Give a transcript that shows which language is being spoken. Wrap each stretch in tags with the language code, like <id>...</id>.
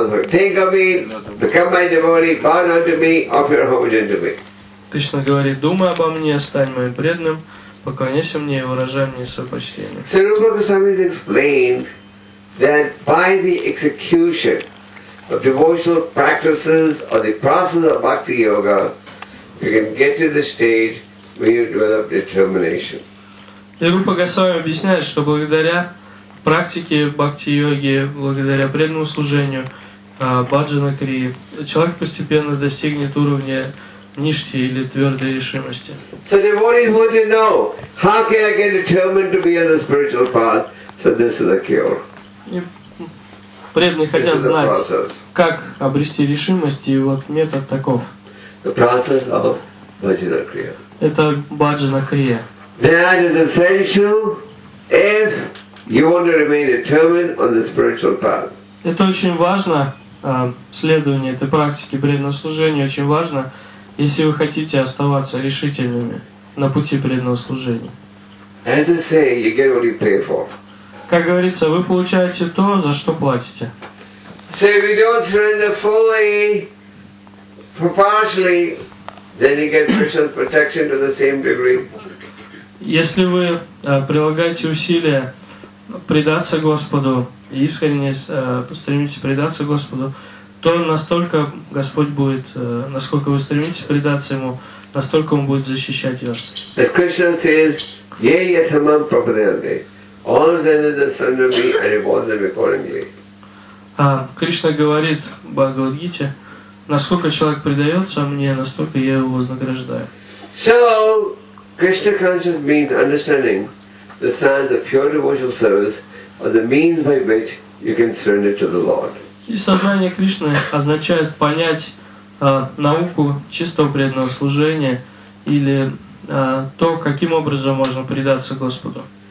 <en>Think of me, become my devotee, bow down to me, offer your homage to me.</en> <ru>Кришна говорит, думай обо мне, стань моим преданным, поклоняйся мне и выражай мне свое почтение.</ru> <en>So Rupa Goswami has explained that by the execution of devotional practices or the process of bhakti yoga, you can get to the stage where you develop determination.</en> <ru>И Рупа Госвами объясняет, что благодаря практике бхакти йоги, благодаря преданному служению баджана крии, человек постепенно достигнет уровня нишки или твердой решимости.</ru> <en>So devotees want to know, how can I get determined to be on the spiritual path? So this is the cure.</en> <ru>Преданные хотят знать, как обрести решимость, и вот метод таков.</ru> <en>The process of bhajana kriya.</en> <ru>Это баджана крия.</ru> <en>That is essential if you want to remain determined on the spiritual path.</en> <ru>Это очень важно, следование этой практики преданного служения очень важно, если вы хотите оставаться решительными на пути преданного служения.</ru> <en>As I say, you get what you pay for.</en> <ru>Как говорится, вы получаете то, за что платите.</ru> <en>So if you don't surrender fully, partially, then you get Krishna's protection to the same degree.</en> <ru>Если вы прилагаете усилия предаться Господу, искренне стремитесь предаться Господу, то настолько Господь будет, насколько вы стремитесь предаться Ему, настолько Он будет защищать вас.</ru> <en>As Krishna says,</en> <sa>Ye yathamam prapadyante,</sa> <en>all sinners are surrender me and reward them accordingly.</en> <ru>Кришна говорит в Бхагавад-гите, насколько человек предается мне, настолько я его вознаграждаю.</ru> <en>So, Krishna consciousness means understanding the signs of pure devotional service or the means by which you can surrender to the Lord.</en> <ru>И сознание Кришны означает понять науку чистого преданного служения или то, каким образом можно предаться Господу.</ru>